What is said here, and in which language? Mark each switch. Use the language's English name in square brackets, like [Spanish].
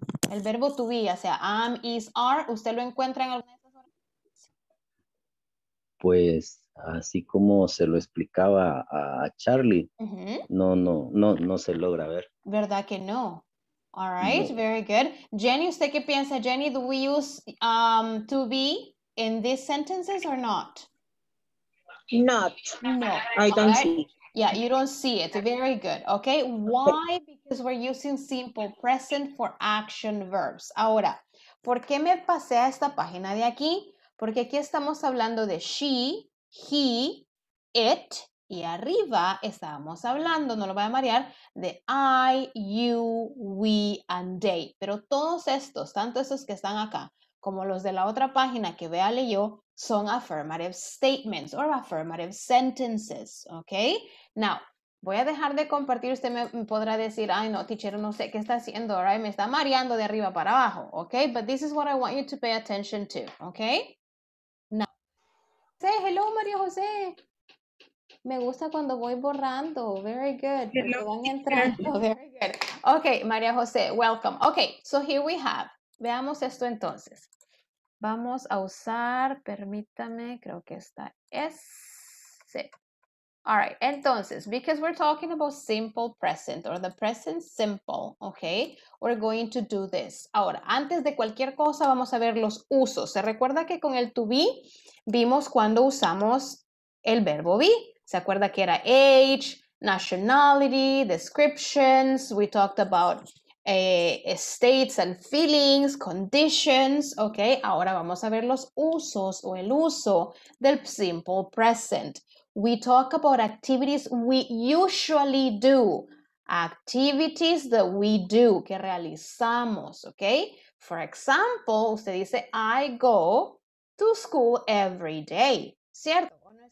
[Spanish] El verbo to be, o sea, am, is, are, ¿usted lo encuentra en alguna de estas oraciones? Pues... así como se lo explicaba a Charlie, no se logra ver. ¿Verdad que no? [English] All right, no. Very good. [Spanish] Jenny, ¿usted qué piensa? [English] Jenny, do we use to be in these sentences or not? Not. No. I don't right. see. Yeah, you don't see it. Very good. Okay, why? Because we're using simple present for action verbs. [Spanish] Ahora, ¿por qué me pasé a esta página de aquí? Porque aquí estamos hablando de she, he, it, y arriba estábamos hablando, no lo voy a marear, de I, you, we, and they. Pero todos estos, tanto esos que están acá, como los de la otra página que Bea leyó, son [English] affirmative statements or affirmative sentences, [Spanish] ¿ok? [English] Now, [Spanish] Voy a dejar de compartir. Usted me podrá decir, ay, no, teacher, no sé qué está haciendo, right? Me está mareando de arriba para abajo, okay? [English] But this is what I want you to pay attention to, okay? Now, say hello, María José. [Spanish] Me gusta cuando voy borrando. [English] Very good. Hello. [Spanish] Van entrando. [English] Very good. Okay, María José, welcome. Okay, so here we have. [Spanish] Veamos esto entonces. Vamos a usar, permítame, creo que está ese. [English] All right, entonces, because we're talking about simple present or the present simple, okay, we're going to do this. [Spanish] Ahora, antes de cualquier cosa, vamos a ver los usos. ¿Se recuerda que con el to be vimos cuando usamos el verbo be? ¿Se acuerda que era age, nationality, descriptions? [English] We talked about states and feelings, conditions, okay? [Spanish] Ahora vamos a ver los usos o el uso del simple present. [English] We talk about activities we usually do. Activities that we do, [Spanish] que realizamos, [English] okay? For example, [Spanish] usted dice, [English] I go to school every day, [Spanish] ¿cierto?